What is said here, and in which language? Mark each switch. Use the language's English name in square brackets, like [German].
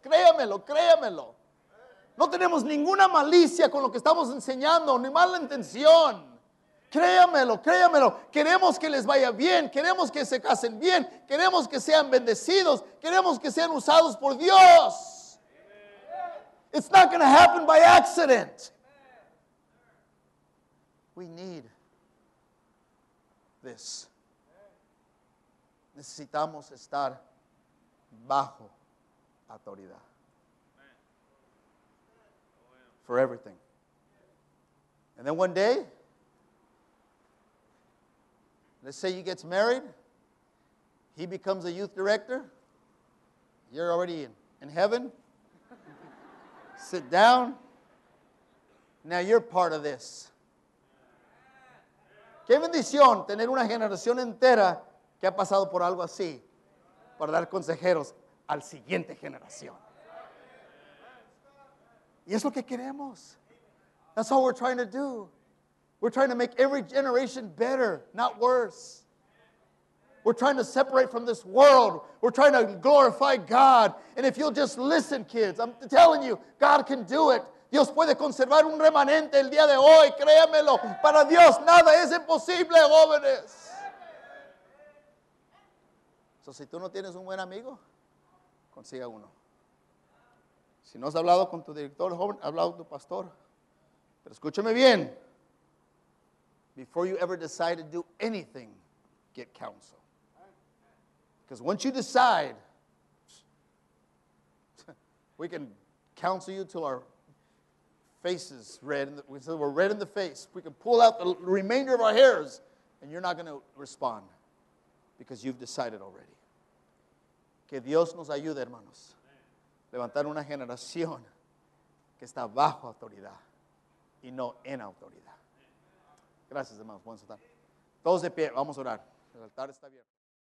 [Spanish] Créamelo, créamelo. No tenemos ninguna malicia con lo que estamos enseñando, ni mala intención. Créamelo, créamelo. Queremos que les vaya bien, queremos que se casen bien, queremos que sean bendecidos, queremos que sean usados por Dios. [English] It's not going to happen by accident. We need this. [Spanish] Necesitamos estar bajo autoridad. [English] For everything. And then one day, let's say he gets married, he becomes a youth director, you're already in heaven. Sit down. Now you're part of this. [Spanish] Qué bendición tener una generación entera que ha pasado por algo así para dar consejeros al siguiente generación. Y es lo que queremos. [English] That's all we're trying to do. We're trying to make every generation better, not worse. We're trying to separate from this world. We're trying to glorify God. And if you'll just listen, kids, I'm telling you, God can do it. [Spanish] Dios puede conservar un remanente el día de hoy, créamelo. Para Dios nada es imposible, jóvenes. So, si tú no tienes un buen amigo, consiga uno. Si no has hablado con tu director joven, ha hablado con tu pastor. Pero escúchame bien. [English] Before you ever decide to do anything, get counsel. Because once you decide, we can counsel you till our faces red. We're red in the face. We can pull out the remainder of our hairs and you're not going to respond because you've decided already. [Spanish] Que Dios nos ayude, hermanos. Levantar una generación que está bajo autoridad y no en autoridad. Gracias, hermanos. Buenas tardes. Todos de pie. Vamos a orar. El altar está abierto.